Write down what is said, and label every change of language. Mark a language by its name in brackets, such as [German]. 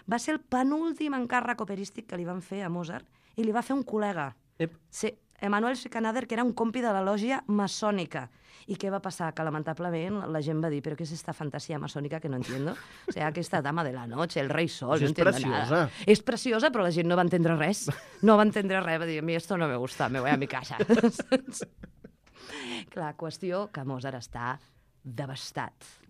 [Catalan] Va ser el penúltim encàrrec operístic que li van fer a Mozart i li va fer un col·lega. Ep. Sí. Emmanuel Schikaneder, que era un compi de la lògia maçònica. I què va passar? Que lamentablement la gent va dir, però què és esta fantasia maçònica [Spanish] que no entiendo? [Catalan] O sea, aquesta dama de la noche, el rei sol, [Spanish] pues no entiendo [Catalan] preciosa. [Spanish] Nada. [Catalan] És preciosa. És preciosa, però la gent no va entendre res. No va entendre res, va dir, [Spanish] a mi esto no me gusta, me voy a mi casa. [Catalan] Clar, qüestió que Mozart està devastat.